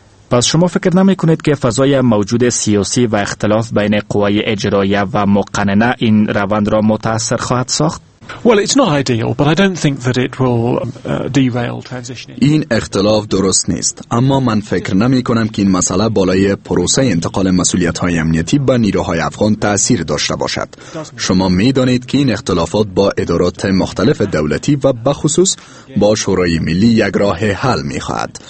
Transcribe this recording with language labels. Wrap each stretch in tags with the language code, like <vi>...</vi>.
<fa>پس شما فکر نمی کنید که فضای موجود سیاسی و اختلاف بین قوای اجرایی و مقننه این روند را متاثر خواهد ساخت؟</fa> <en>Well, it's not ideal, but I don't think that it will derail transitioning.</en> <fa>این اختلاف درست نیست، اما من فکر نمی‌کنم که این مسئله بالای پروسه انتقال مسئولیت‌های امنیتی به نیروهای افغان تأثیر داشته باشد. شما می‌دانید که این اختلافات با ادارات مختلف دولتی و به خصوص با شورای ملی یک راه حل می‌خواهد.</fa>